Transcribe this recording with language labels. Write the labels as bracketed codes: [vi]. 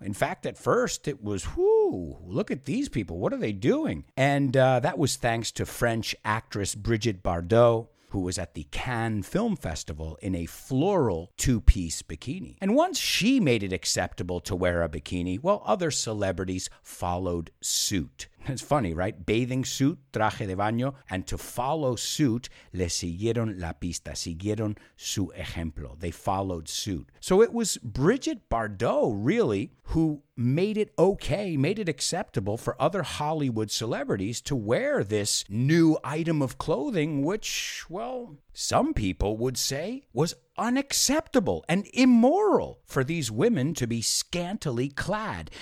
[en] In fact, at first it was, whoo, look at these people, what are they doing? And that was thanks to French actress Brigitte Bardot, who was at the Cannes Film Festival in a floral two-piece bikini. And once she made it acceptable to wear a bikini, well, other celebrities followed suit. It's funny, right? Bathing suit, [es] traje de baño, [en] and to follow suit, [es] le siguieron la pista, siguieron su ejemplo. [en] They followed suit. So it was Brigitte Bardot, really, who made it okay, made it acceptable for other Hollywood celebrities to wear this new item of clothing, which, well, some people would say was unacceptable and immoral for these women to be scantily clad.